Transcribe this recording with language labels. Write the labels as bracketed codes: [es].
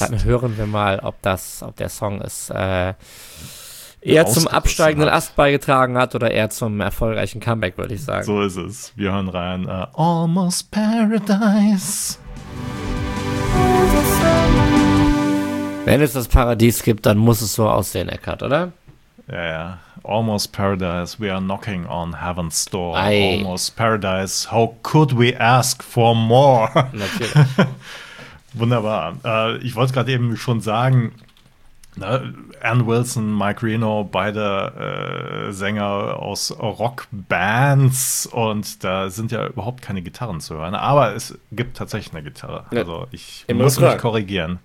[de] Dann hören wir mal, ob der Song ist eher zum absteigenden Ast beigetragen hat oder eher zum erfolgreichen Comeback, würde ich sagen. So ist es. Wir hören rein. Almost Paradise. Wenn es das Paradies gibt, dann muss es so aussehen, Eckart, oder? Ja, ja. [en] Almost Paradise, we are knocking on heaven's door. Aye. Almost Paradise, how could we ask for more? [de] Natürlich. Wunderbar. Ich wollte gerade eben schon sagen, Ne, Ann Wilson, Mike Reno, beide Sänger aus Rockbands, und da sind ja überhaupt keine Gitarren zu hören, aber es gibt tatsächlich eine Gitarre, also ich muss mich korrigieren.